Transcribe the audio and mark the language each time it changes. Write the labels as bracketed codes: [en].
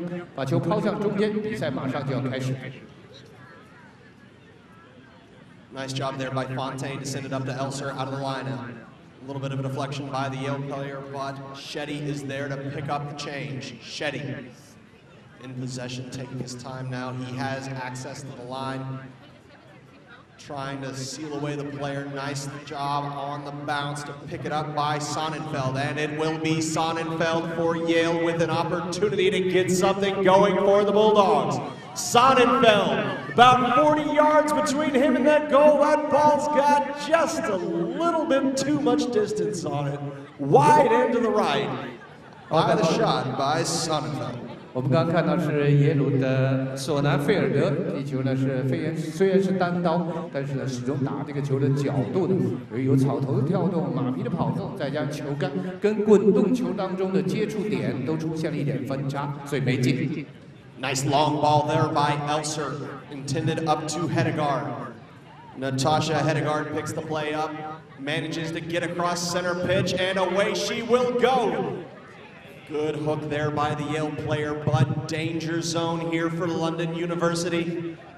[zh] 好了，在比赛下半场开始的时候，裁判把两队列在场地中间，把球抛向中间，比赛马上就要开始。 [en] Nice job there by Fontayn to send it up to Elser out of the lineup. A little bit of a deflection by the Yale player, but Shetty is there to pick up the change. Shetty in possession, taking his time now. He has access to the line, trying to seal away the player. Nice job on the bounce to pick it up by Sonnenfeld, and it will be Sonnenfeld for Yale with an opportunity to get something going for the Bulldogs. Sonnenfeld About 40 yards between him and that goal. That ball's got just a little bit too much distance on it. Wide end to the right. By the shot by Sonnenfeld. [zh] 我们刚刚看到是耶鲁的索南菲尔德，这球呢是飞，虽然是单刀，但是呢始终打这个球的角度呢，由于草头跳动、马匹的跑动，再加球杆跟滚动球当中的接触点都出现了一点分差，所以没进。Nice [en] long ball there by Elser, intended up to Hedegaard. Natascha Hedegaard picks the play up, manages to get across center pitch, and away she will go. Good hook there by the Yale player, but danger zone here for London University.